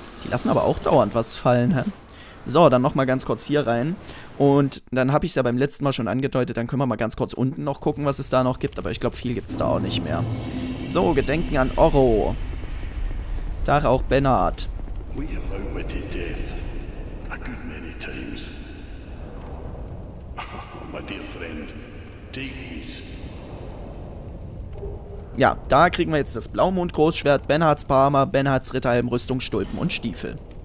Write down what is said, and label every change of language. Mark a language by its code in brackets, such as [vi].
[de] Lassen aber auch dauernd was fallen, hä? So, dann nochmal ganz kurz hier rein. Und dann habe ich es ja beim letzten Mal schon angedeutet, dann können wir mal ganz kurz unten noch gucken, was es da noch gibt. Aber ich glaube, viel gibt es da auch nicht mehr. So, Gedenken an Oro. Da auch Bernard. [en] We have opened in death a good many times. Oh, my dear friend, take it. [de] Ja, da kriegen wir jetzt das Blaumond-Großschwert, Benhards Parma, Benhards Ritterhelm, Rüstung, Stulpen und Stiefel.